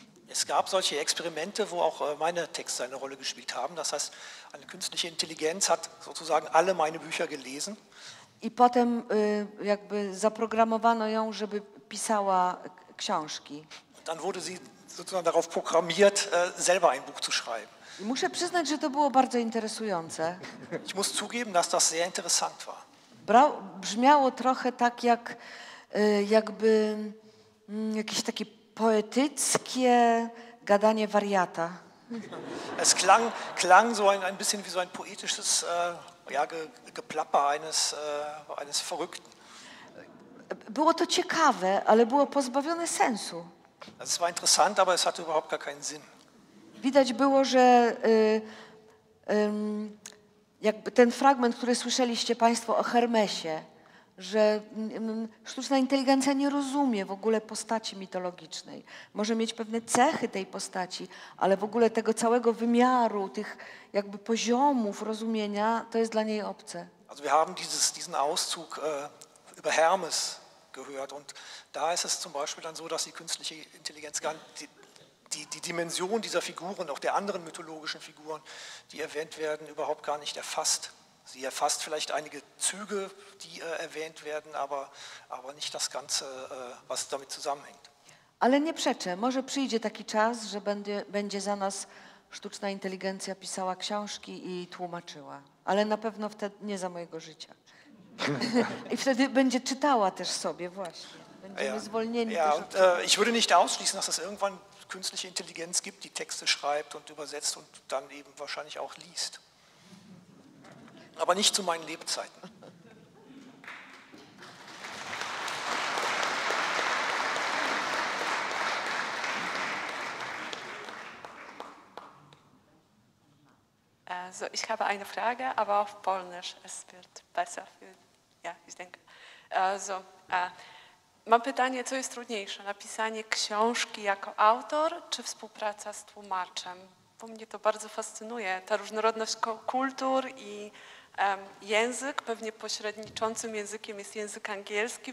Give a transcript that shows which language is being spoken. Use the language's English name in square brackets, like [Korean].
[German] Es gab solche Experimente, wo auch meine Texte eine Rolle gespielt haben. Das heißt, eine künstliche Intelligenz hat sozusagen alle meine Bücher gelesen. [Polish] I potem jakby zaprogramowano ją, żeby pisała książki. [German] Dann wurde sie sozusagen darauf programmiert, selber ein Buch zu schreiben. [Polish] I muszę przyznać, że to było bardzo interesujące. [German] Ich muss zugeben, dass das sehr interessant war. [Polish] Brzmiało trochę tak, jak jakby jakieś takie poetyckie gadanie wariata. [German] Es klang so ein bisschen wie so ein poetisches Geplapper eines Verrückten. [Polish] Było to ciekawe, ale było pozbawione sensu. [German] Es war interessant, aber es hatte überhaupt gar keinen Sinn. [Polish] Widać było, że jakby ten fragment, który słyszeliście Państwo o Hermesie, że sztuczna inteligencja nie rozumie w ogóle postaci mitologicznej. Może mieć pewne cechy tej postaci, ale w ogóle tego całego wymiaru, tych jakby poziomów rozumienia, to jest dla niej obce. [German] Also wir haben diesen Auszug über Hermes gehört und da ist es zum Beispiel dann so, dass die künstliche Intelligenz gar die Dimension dieser Figuren, auch der anderen mythologischen Figuren, die erwähnt werden, überhaupt gar nicht erfasst. Sie erfasst vielleicht einige Züge, die erwähnt werden, aber nicht das Ganze, was damit zusammenhängt. [Polish] Ale nie przeczę, może przyjdzie taki czas, że będzie za nas sztuczna inteligencja pisała książki i tłumaczyła. Ale na pewno wtedy nie za mojego życia. I wtedy będzie czytała też sobie właśnie. Będziemy zwolnieni. [German] Ja, und, ich würde nicht ausschließen, dass es irgendwann künstliche Intelligenz gibt, die Texte schreibt und übersetzt und dann eben wahrscheinlich auch liest. Aber nicht zu meinen Lebzeiten. Also ich habe eine Frage, aber auf Polnisch. Es wird besser. Ja, ich denke. [Polish] Also, mam pytanie, co jest trudniejsze, napisanie książki jako autor, czy współpraca z tłumaczem? Bo mnie to bardzo fascynuje, ta różnorodność kultur i język, pewnie pośredniczącym językiem jest język angielski.